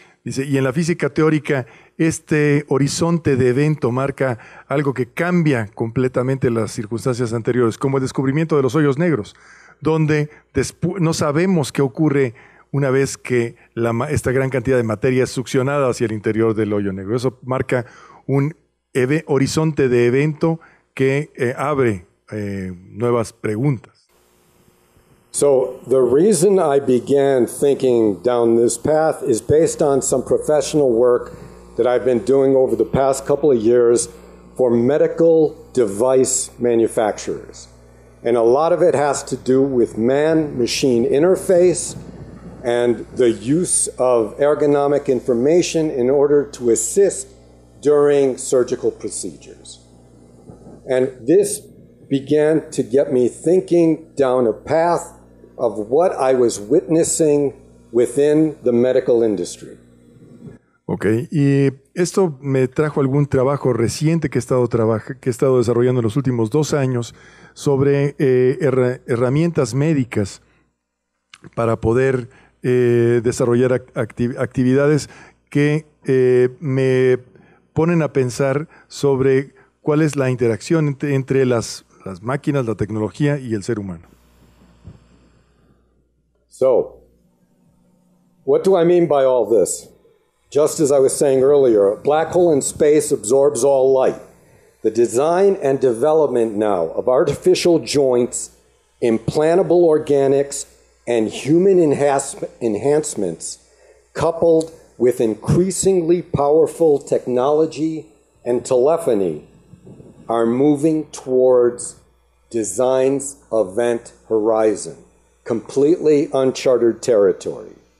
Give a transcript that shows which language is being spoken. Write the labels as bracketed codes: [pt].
[es] Dice, y en la física teórica, este horizonte de evento marca algo que cambia completamente las circunstancias anteriores, como el descubrimiento de los hoyos negros, donde no sabemos qué ocurre una vez que esta gran cantidad de materia es succionada hacia el interior del hoyo negro. Eso marca un horizonte de evento que abre nuevas preguntas. [en] So the reason I began thinking down this path is based on some professional work that I've been doing over the past couple of years for medical device manufacturers. And a lot of it has to do with man-machine interface and the use of ergonomic information in order to assist during surgical procedures. And this began to get me thinking down a path of what I was witnessing within the medical industry. [es] Okay, y esto me trajo algún trabajo reciente que he estado desarrollando en los últimos 2 años sobre herramientas médicas para poder desarrollar actividades que me ponen a pensar sobre cuál es la interacción entre las máquinas, la tecnología y el ser humano. [en] So, what do I mean by all this? Just as I was saying earlier, a black hole in space absorbs all light. The design and development now of artificial joints, implantable organics, and human enhancements, coupled with increasingly powerful technology and telephony, are moving towards design's event horizon, completely uncharted territory.